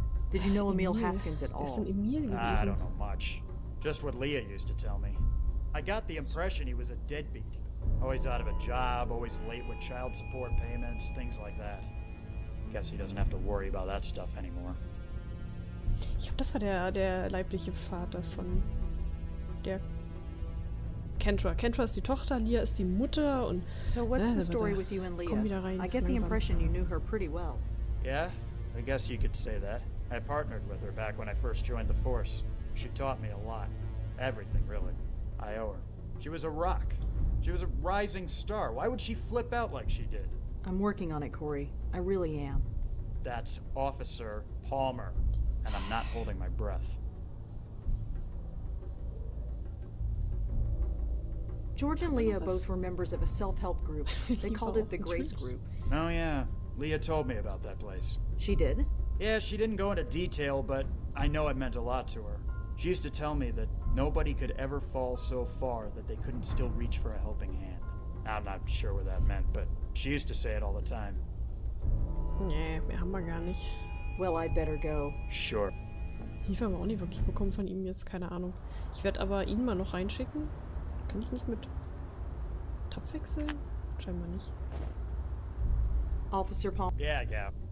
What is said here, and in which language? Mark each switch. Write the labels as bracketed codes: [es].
[en] Did you know Emil Haskins at all? [de] Ist ein Emil gewesen? [en] I don't know much. Just what Leah used to tell me. I got the impression he was a deadbeat. Always out of a job, always late with child support payments, things like that. Guess he doesn't have to worry about that stuff anymore. [de] Ich glaube, das war der leibliche Vater von der Kendra. Kendra ist die Tochter, Leah ist die Mutter und [en] so what's the story with you and Leah? [de] Komm wieder rein. [en] I get the impression you knew her pretty well. Yeah, I guess you could say that. I partnered with her back when I first joined the force. She taught me a lot. Everything, really. I owe her. She was a rock. She was a rising star. Why would she flip out like she did? I'm working on it, Corey. I really am. That's Officer Palmer. And I'm not holding my breath. George and Leah both were members of a self-help group. They called it the Grace Group. Oh, yeah. Leah told me about that place. She did? Yeah, she didn't go into detail, but I know it meant a lot to her. She used to tell me that nobody could ever fall so far that they couldn't still reach for a helping hand. I'm not sure what that meant, but she used to say it all the time. [de] Nee, wir haben gar nicht. [en] Well, I'd better go. Sure. [de] Hilfe haben wir auch nicht wirklich bekommen von ihm jetzt, keine Ahnung. Ich werde aber ihn mal noch reinschicken. Kann ich nicht mit Tab wechseln? Scheinbar nicht. [en] Officer Palm. Yeah.